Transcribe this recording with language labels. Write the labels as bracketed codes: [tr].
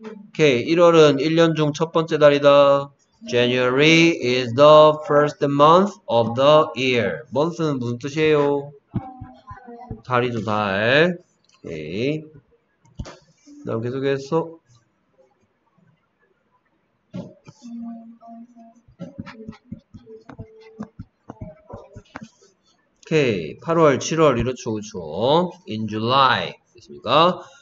[ko] 오케이 1월은 1년 중첫 번째 달이다. [en] January is the first month of the year. [ko] month는 무슨 뜻이에요? 달이죠 달. 오케이 다음 계속해서 오케이 8월 7월 이렇죠 그렇죠 in July 됐습니까?